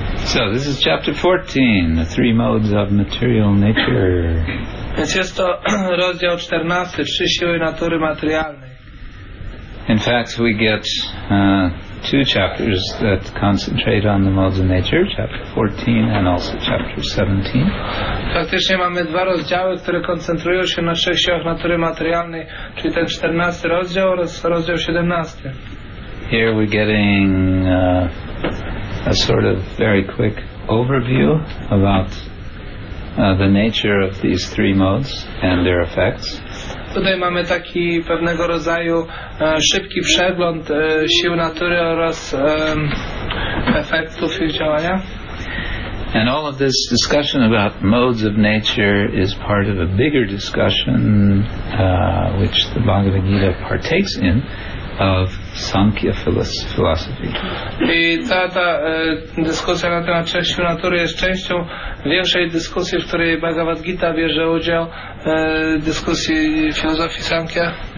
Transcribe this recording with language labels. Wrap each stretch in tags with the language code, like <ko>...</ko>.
<en>So this is chapter 14, the three modes of material nature.</en> <pl>Więc jest to rozdział 14, trzy siły natury materialnej.</pl> <en>In fact, we get two chapters that concentrate on the modes of nature, chapter 14 and also chapter 17.</en> <pl>Faktycznie mamy dwa rozdziały, które koncentrują się na trzech siłach natury materialnej, czyli ten 14 rozdział oraz rozdział 17.</pl> <en>Here we're getting a sort of very quick overview about the nature of these three modes and their effects.</en> <pl>Tutaj mamy taki pewnego rodzaju szybki przegląd sił natury oraz efektów ich działania.</pl> <en>And all of this discussion about modes of nature is part of a bigger discussion which the Bhagavad Gita partakes in of Sankhya philosophy.</en> <pl>I ta dyskusja na temat trzech sił natury jest częścią większej dyskusji, w której Bhagavad Gita bierze udział, dyskusji filozofii Sankhya.</pl>